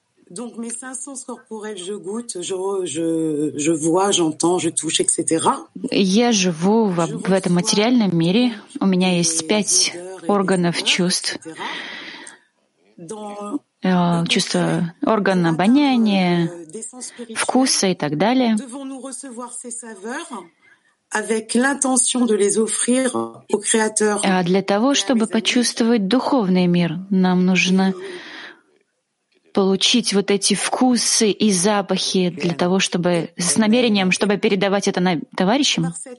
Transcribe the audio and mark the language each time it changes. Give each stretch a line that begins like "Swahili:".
French: Donc mes cinq sens corporels, je goûte, je vois, j'entends, je touche, etc.
Russian: Я живу в этом материальном мире. У меня есть пять органов чувств. Чувство органа обоняния, вкуса и так далее.
French: Devons-nous recevoir ces saveurs avec l'intention de les offrir au Créateur?
Russian: Для того, чтобы почувствовать духовный мир, нам нужно получить вот эти вкусы и запахи для того, чтобы с намерением, чтобы передавать это товарищам?